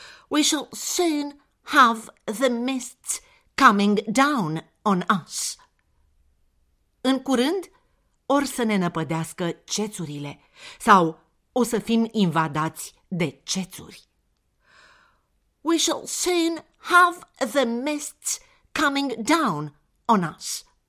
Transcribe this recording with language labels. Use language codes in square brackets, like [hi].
[en] We shall soon have the mists coming down on us. [ro] În curând, or să ne năpădească cețurile, sau o să fim invadați de cețuri. [en] We shall soon have the mists coming down on us.